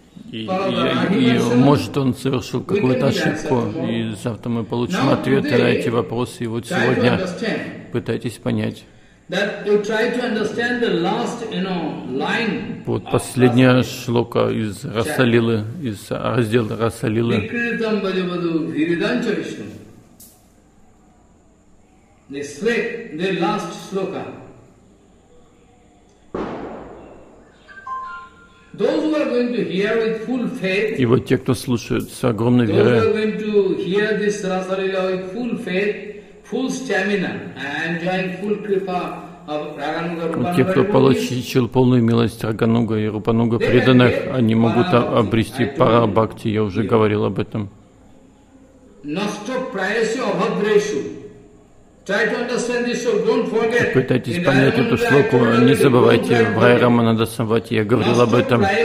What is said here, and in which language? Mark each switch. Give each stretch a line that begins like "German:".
Russian: И может он совершил какую-то ошибку, и завтра мы получим ответы на эти вопросы, и вот сегодня пытайтесь понять.
English: That you try to understand the last, you know, line.
Russian: Вот последняя шлока из Расалилы, из раздела Расалилы.
Sanskrit: Викритам бхаджабаду гхиридамча вишну.
English: The last shloka. Those who are going to hear with full faith.
Russian: И вот те, кто слушают с огромной верой.
English: Those who are going to hear this Расалила with full faith. Full stamina and enjoying full kripa of Rupanuga.
Russian: Вот те, кто получил полную милость Рагануга и Рупануга преданных, они могут обрести пара бхакти, я уже говорил об этом. Пытайтесь понять эту шлоку, не забывайте, в Рай Рамананда Самвати я говорил об этом.